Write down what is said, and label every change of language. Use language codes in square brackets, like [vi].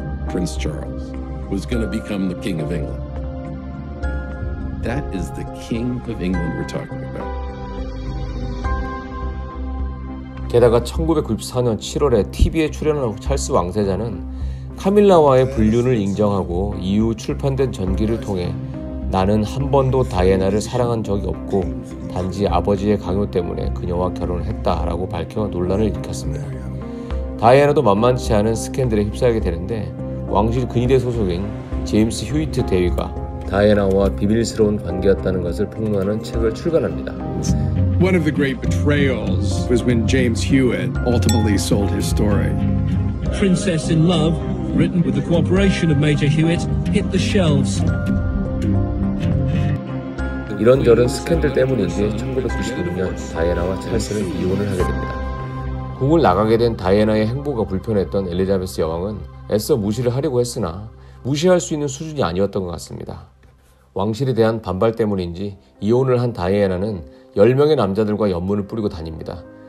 [en] 프린스 찰스 was going to become the king of England. That is the king of England we're talking about. [ko] 게다가 1994년 7월에 TV에 출연한 찰스 왕세자는 카밀라와의 불륜을 인정하고 이후 출판된 전기를 통해 나는 한 번도 다이애나를 사랑한 적이 없고 단지 아버지의 강요 때문에 그녀와 결혼을 했다라고 밝혀 논란을 일으켰습니다. 다이애나도 만만치 않은 스캔들에 휩싸이게 되는데 왕실 근위대 소속인 제임스 휴이트 대위가 다이애나와 비밀스러운 관계였다는 것을 폭로하는 책을 출간합니다. [en] One of the great betrayals was when James Hewitt ultimately sold his story. Princess in Love, written with the cooperation of Major Hewitt, hit the shelves. [ko] 이런저런 스캔들 때문인지 1996년 다이애나와 찰스는 이혼을 하게 됩니다. 궁을 나가게 된 다이애나의 행보가 불편했던 엘리자베스 여왕은 애써 무시를 하려고 했으나 무시할 수 있는 수준이 아니었던 것 같습니다. 왕실에 대한 반발 때문인지 이혼을 한 다이애나는 10명의 남자들과 연문을 뿌리고 다닙니다.